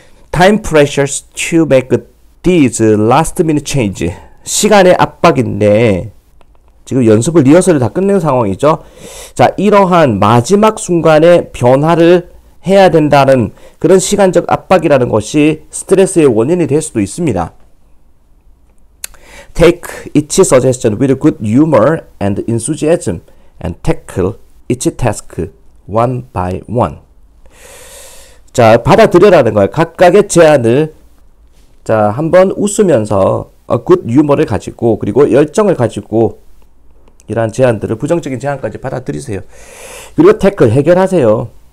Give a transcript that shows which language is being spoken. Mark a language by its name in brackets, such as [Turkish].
[English] Time pressures to make it. These last minute change. [Korean] 시간의 압박인데, 지금 연습을 리허설을 다 끝낸 상황이죠. 자, 이러한 마지막 순간에 변화를 해야 된다는 그런 시간적 압박이라는 것이 스트레스의 원인이 될 수도 있습니다. [English] Take each suggestion with good humor and enthusiasm and tackle each task one by one. [Korean] 자, 받아들여라는 거예요. 각각의 제안을 자, 한번 웃으면서 굿 유머를 가지고 그리고 열정을 가지고 이러한 제안들을 부정적인 제안까지 받아들이세요. 그리고 태클 해결하세요.